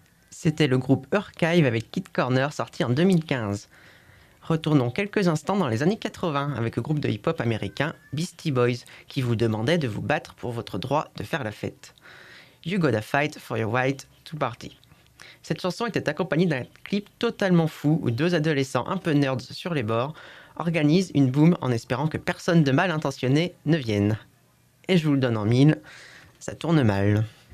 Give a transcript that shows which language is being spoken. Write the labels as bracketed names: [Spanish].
[French] C'était le groupe Archive avec Kid Corner, sorti en 2015. Retournons quelques instants dans les années 80 avec le groupe de hip-hop américain Beastie Boys qui vous demandait de vous battre pour votre droit de faire la fête. [English] You gotta fight for your right to party. [French] Cette chanson était accompagnée d'un clip totalement fou où deux adolescents un peu nerds sur les bords organisent une boom en espérant que personne de mal intentionné ne vienne. Et je vous le donne en mille, ça tourne mal.